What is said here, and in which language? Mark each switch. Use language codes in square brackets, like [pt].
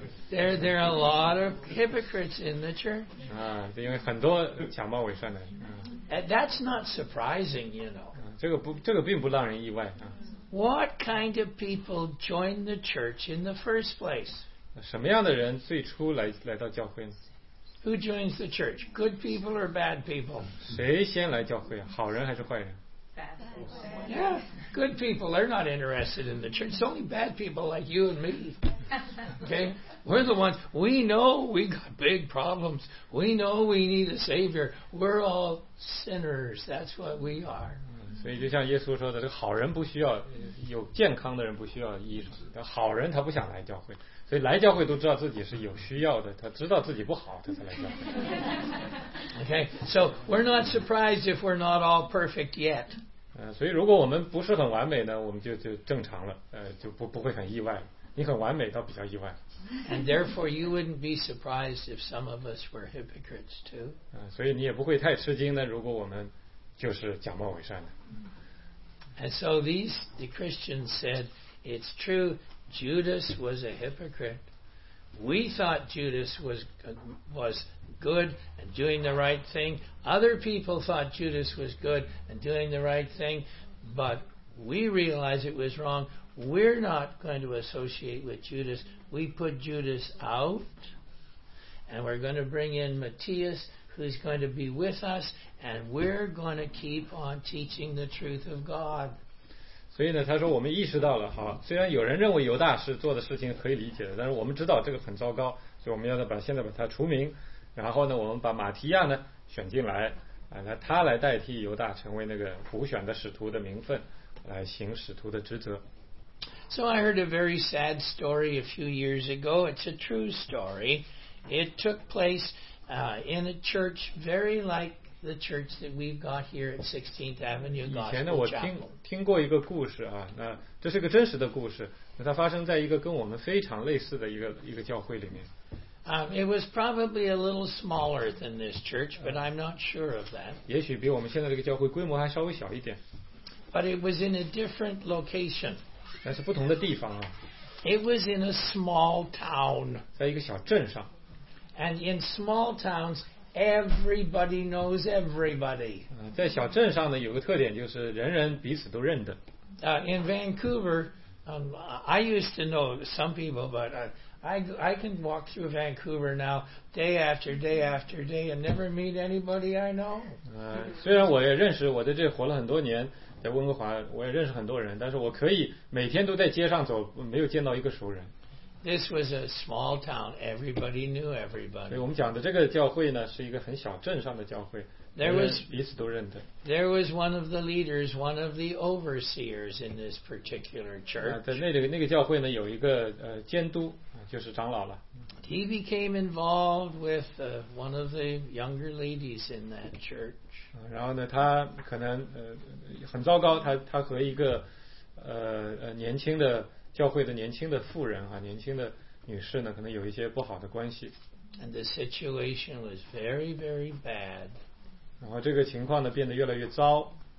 [en] There are a lot of hypocrites in the church. [zh] 因为很多假冒伪善的。 [en] That's not surprising, you know. [zh] 这个并不让人意外。 [en] What kind of people joined the church in the first place? [zh] 什么样的人最初来到教会呢？ [en] Who joins the church? Good people or bad people? [zh] 谁先来教会啊？好人还是坏人？ [en] Yeah, good people, they're not interested in the church. It's only bad people like you and me. Okay? We're the ones, we know we got big problems. We know we need a savior. We're all sinners. That's what we are. [zh] 所以就像耶稣说的，这个好人不需要，有健康的人不需要医生。好人他不想来教会。所以来教会都知道自己是有需要的，他知道自己不好，他才来教会。 [en] Okay, so we're not surprised if we're not all perfect yet. [zh] 所以如果我们不是很完美呢，我们就正常了，就不会很意外。你很完美倒比较意外。 [en] And therefore, you wouldn't be surprised if some of us were hypocrites too. [zh] 所以你也不会太吃惊呢，如果我们就是假冒伪善的。 [en] And so the Christians said, it's true. Judas was a hypocrite. We thought Judas was good and doing the right thing. Other people thought Judas was good and doing the right thing, but we realized it was wrong. We're not going to associate with Judas. We put Judas out, and we're going to bring in Matthias, who's going to be with us, and we're going to keep on teaching the truth of God. [zh] 所以呢，他说我们意识到了，好，虽然有人认为犹大是做的事情可以理解的，但是我们知道这个很糟糕，所以我们要现在把他除名，然后呢，我们把马提亚呢选进来，他来代替犹大成为那个普选的使徒的名分，来行使徒的职责。 [en] So I heard a very sad story a few years ago. It's a true story. It took place in a church very like. The church that we've got here at 16th Avenue Gospel Chapel. [zh] 以前呢，我听过一个故事啊，那这是个真实的故事，那它发生在一个跟我们非常类似的一个教会里面。 [en] It was probably a little smaller than this church, but I'm not sure of that. [zh] 也许比我们现在这个教会规模还稍微小一点。 [en] But it was in a different location. [zh] 但是不同的地方啊。 [en] It was in a small town. [zh] 在一个小镇上。 [en] And in small towns. Everybody knows everybody. [zh] 在小镇上呢，有个特点就是人人彼此都认得。 [en] In Vancouver, I used to know some people, but I can walk through Vancouver now day after day after day and never meet anybody I know. [zh] 虽然我也认识，我在这活了很多年，在温哥华我也认识很多人，但是我可以每天都在街上走，没有见到一个熟人。 [en] This was a small town. Everybody knew everybody. [zh] 所以我们讲的这个教会呢，是一个很小镇上的教会。 [en] There was, [zh] 彼此都认得。 [en] There was one of the leaders, one of the overseers in this particular church. [zh] 在那个教会呢，有一个监督，就是长老了。 [en] He became involved with one of the younger ladies in that church. [zh] 然后呢，他可能很糟糕，他和一个年轻的教会的年轻的妇人啊，年轻的女士呢，可能有一些不好的关系。 [en] And the situation was very, very bad. [zh] 然后这个情况呢，变得越来越糟。